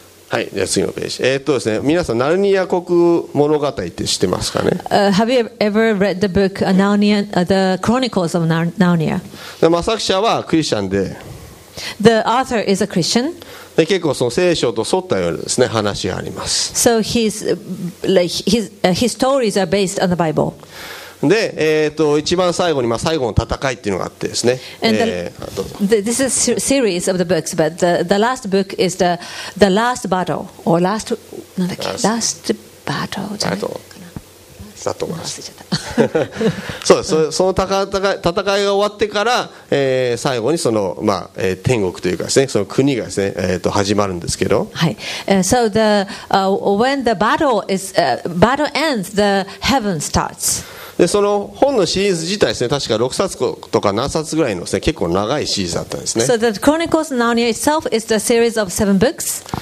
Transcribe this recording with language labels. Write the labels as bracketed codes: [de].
[ja] はい、じゃあ次のページ。ですね、皆さんナルニア国物語って知ってますかね。 [en] Have you ever read the book Narnia, the Chronicles of Narnia? [ja] で、作者はクリスチャンで。 [en] The author is a Christian. [ja] で、結構その聖書と沿ったようなですね、話があります。 [en] So his stories are based on the Bible. [ja] で、一番最後に、まあ、最後の戦いっていうのがあってですね。 [en] This is a series of the books, but the last book is the last battle or last, [ja] なんだっけ、 [en] last battle. [ja] だと思います。そうです。その戦いが終わってから、最後にその、まあ天国というかですね、その国がですね、始まるんですけど、 [en] はい、so the, when the battle ends, the heaven starts。 [ja] でその本のシリーズ自体ですね、確か6冊とか何冊ぐらいのですね、結構長いシリーズだったんですね。 [en] So the Chronicles of Narnia itself is the series of seven books.